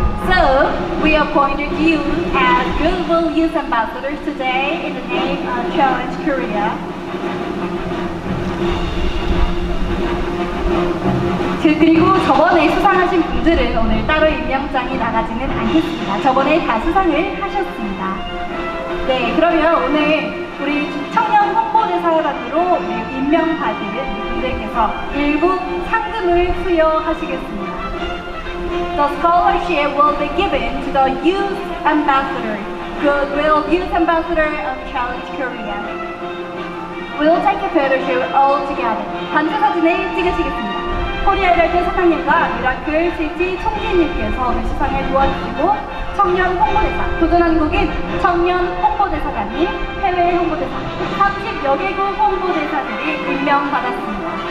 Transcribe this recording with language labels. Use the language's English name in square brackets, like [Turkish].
[English] So, we appointed you as Global Youth Ambassadors today in the name of Challenge Korea. [Korean] So, 그리고 저번에 수상하신 분들은 오늘 따로 임명장이 나가지는 않겠습니다. 저번에 다 수상을 하셨습니다. 네, 그러면 오늘 우리 청년 홍보대사단으로 임명받은 분들께서 일부 상금을 수여하시겠습니다. [English] The scholarship will be given to the Youth Ambassador, Goodwill Youth Ambassador of Challenge Korea. We'll take a photo shoot all together. [Korean] 단체 사진을 찍으시겠습니다. 코리아 라이트 사장님과 미라클 시티 총재님께서 오늘 수상을 도와주시고 청년 홍보대사, 도전 한국인 청년 홍보대사단이 해외 홍보대사, 30여 개국 홍보대사들이 임명받았습니다.